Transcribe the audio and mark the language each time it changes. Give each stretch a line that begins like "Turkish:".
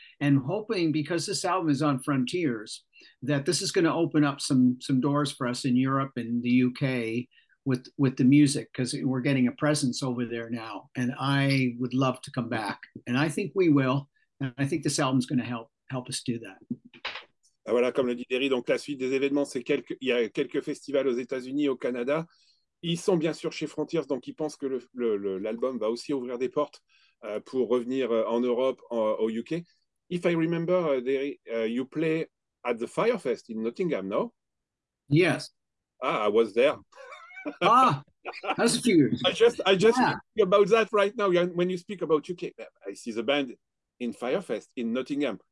English: And hoping, because this album is on Frontiers, that this is going to open up some doors for us in Europe and the U.K. with the music, because we're getting a presence over there now. And I would love to come back. And I think we will. And I think this album is going to help us do that.
French: Voilà, comme le dit Derry, donc la suite des événements, c'est il y a quelques festivals aux États-Unis, au Canada. Ils sont bien sûr chez Frontiers, donc ils pensent que l'album va aussi ouvrir des portes pour revenir en Europe, au UK.
English: If I remember, Derry, you play at the Firefest in Nottingham, no? Yes. Ah, I was there. Ah, that's a few years. I just think about that right now. When you speak about UK, I see the band in Firefest in Nottingham.